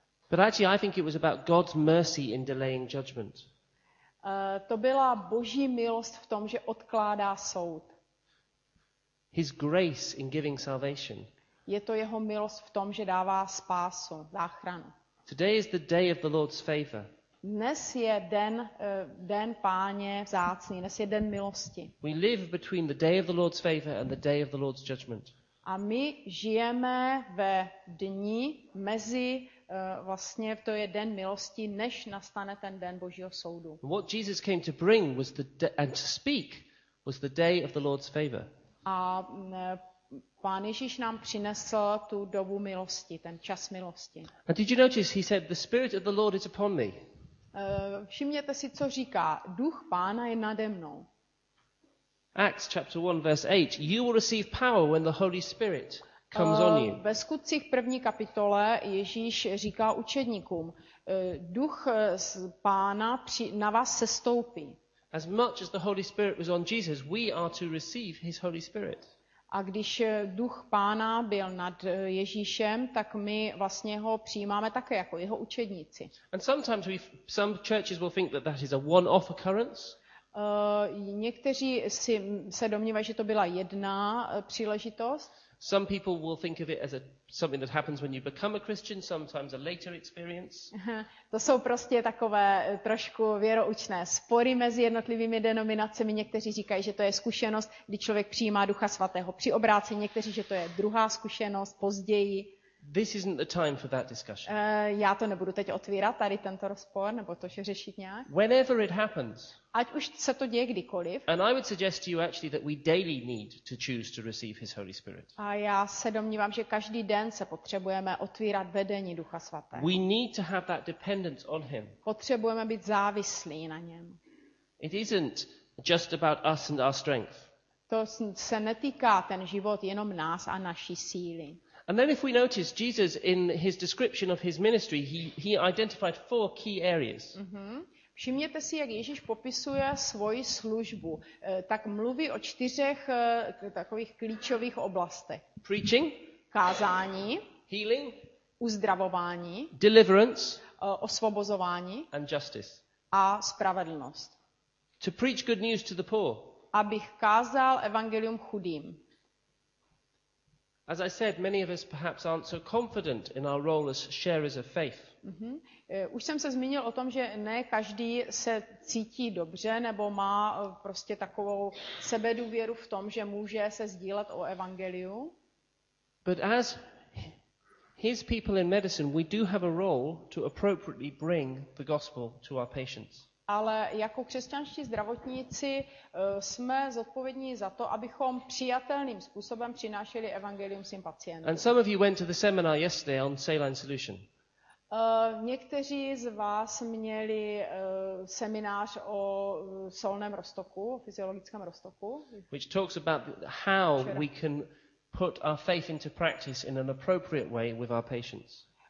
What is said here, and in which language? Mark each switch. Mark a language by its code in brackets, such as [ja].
[en] But actually, I think it was about God's mercy in delaying judgment. [cs] To byla Boží milost v tom, že odkládá soud. [en] His grace in giving salvation. [cs] Je to jeho milost v tom, že dává spásu, záchranu. [en] Today is the day of the Lord's favor. [cs] Dnes je den Páně vzácný, dnes je den milosti. [en] We live between the day of the Lord's favor and the day of the Lord's judgment. [cs] A my žijeme ve dni mezi vlastně to je den milosti, než nastane ten den Božího soudu. [en] What Jesus came to bring was the and to speak was the day of the Lord's favor. [cs] A Pán Ježíš nám přinesl tu dobu milosti, ten čas milosti. [en] And did you notice he said the spirit of the Lord is upon me? [cs] Všimněte si, co říká. Duch Pána je nade mnou. [en] Acts chapter 1 verse 8. You will receive power when the Holy Spirit comes on you. [cs] Ve Skutcích první kapitole Ježíš říká učedníkům, duch Pána na vás sestoupí. [en] As much as the Holy Spirit was on Jesus, we are to receive his Holy Spirit. [cs] A když duch Pána byl nad Ježíšem, tak my vlastně ho přijímáme také jako jeho učedníci. [en] And sometimes some churches will think that that is a one-off occurrence. [cs] Někteří si se domnívají, že to byla jedna příležitost. [en] Some people will think of it as something that happens when you become a Christian, sometimes a later experience. [cs] To jsou prostě takové trošku věroučné spory mezi jednotlivými denominacemi. Někteří říkají, že to je zkušenost, kdy člověk přijímá Ducha Svatého při obrácení, někteří, že to je druhá zkušenost později. [en] This isn't the time for that discussion. [cs] Já to nebudu teď otvírat, tady tento rozpor, nebo to že řešit nějak. [en] Whenever it happens. [cs] Ať už se to děje kdykoliv. [en] And I would suggest to you actually that we daily need to choose to receive his Holy Spirit. [cs] A já se domnívám, že každý den se potřebujeme otvírat vedení Ducha Svatého. [en] We need to have that dependence on him. [cs] Potřebujeme být závislí na něm. [en] It isn't just about us and our strength. [cs] To se netýká ten život jenom nás a naší síly. [en] And then if we notice Jesus in his description of his ministry, he identified four key areas. [cs] Všimněte si, jak Ježíš popisuje svoji službu, tak mluví o čtyřech takových klíčových oblastech. [en] Preaching, [cs] kázání, [en] healing, [cs] uzdravování, [en] deliverance, [cs] osvobozování, [en] and justice. [cs] A spravedlnost. [en] To preach good news to the poor. [cs] Abych kázal evangelium chudým. [en] As I said, many of us perhaps aren't so confident in our role as sharers of faith. [cs] Už jsem se zmínil o tom, že ne každý se cítí dobře nebo má prostě takovou sebedůvěru v tom, že může se sdílet o evangeliu. [en] But as his people in medicine, we do have a role to appropriately bring the gospel to our patients. [cs] Ale jako křesťanští zdravotníci jsme zodpovědní za to, abychom přijatelným způsobem přinášeli evangelium svým pacientům. [en] And some of you went to the seminar yesterday on saline solution. [cs] Někteří z vás měli seminář o solném roztoku, o fyziologickém roztoku. [en] Which talks about how we can put our faith into practice in an appropriate way with our patients.